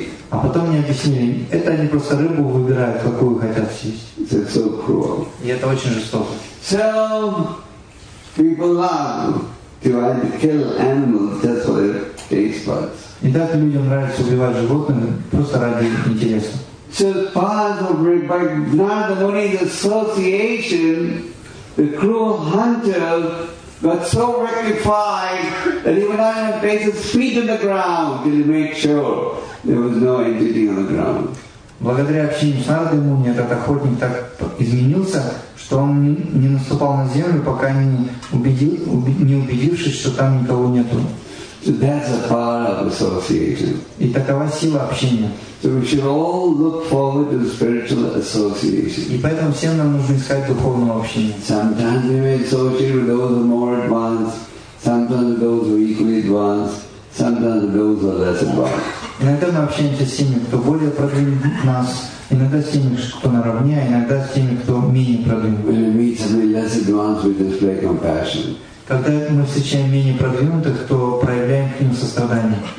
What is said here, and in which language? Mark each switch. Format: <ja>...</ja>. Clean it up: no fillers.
<ru>А потом мне объяснили, это они просто рыбу выбирают, какую хотят съесть.</ru> <en>So cruel.</en> <ru>И это очень жестоко.</ru> <en>So, people love to kill animals, that's what their taste buds.</en> <ru>И так людям нравится убивать животных просто ради интереса.</ru> <en>So part of by now the only the association, the cruel hunter got so rectified that even animal places feet on the ground to make sure there was no entity on the ground.</en> <ru>Благодаря общению с народом мне этот охотник так изменился, что он не наступал на землю, пока не убедившись, что там никого нету.</ru> <en>So that's a power of association.</en> <ru>И такова сила общения.</ru> <en>So we should all look forward to spiritual association.</en> <ru>И поэтому всем нам нужно искать духовного общения.</ru> <en>Sometimes we may associate with those who are more advanced, sometimes with those who are equally advanced, sometimes with those who are less advanced.</en> <ru>Иногда мы общаемся с теми, кто более продвинут нас, иногда с теми, кто наравне, а иногда с теми, кто менее продвинут.</ru> <en>When we meet somebody less advanced, we display compassion.</en> <ru>Когда мы встречаем менее продвинутых, то проявляем к ним сострадание.</ru>